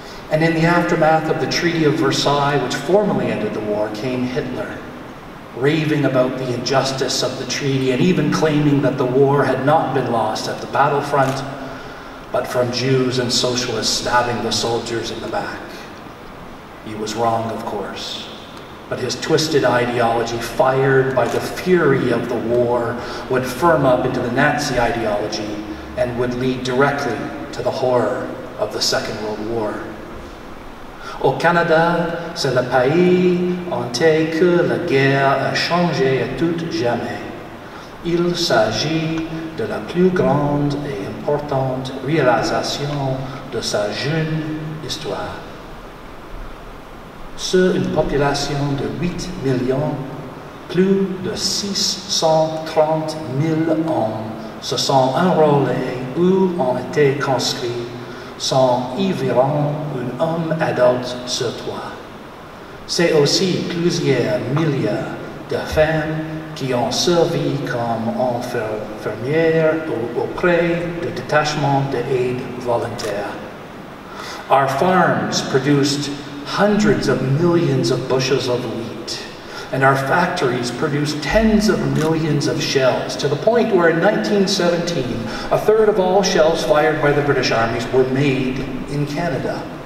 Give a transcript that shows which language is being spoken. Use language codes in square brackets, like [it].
[en] And in the aftermath of the Treaty of Versailles, which formally ended the war, came Hitler, raving about the injustice of the treaty and even claiming that the war had not been lost at the battlefront, but from Jews and socialists stabbing the soldiers in the back. He was wrong, of course, but his twisted ideology, fired by the fury of the war, would firm up into the Nazi ideology and would lead directly to the horror of the Second World War. [fr] Au Canada, c'est le pays entier que la guerre a changé à tout jamais. Il s'agit de la plus grande et importante réalisation de sa jeune histoire. Sur une population de 8 millions, plus de 630 000 hommes se sont enrôlés ou ont été conscrits, sans environ un homme adulte sur 3. C'est aussi plusieurs milliers de femmes qui ont servi comme infirmières auprès du détachement d'aide volontaire. [en] Our farms produced hundreds of millions of bushels of wheat, and our factories produced tens of millions of shells, to the point where in 1917, a third of all shells fired by the British armies were made in Canada.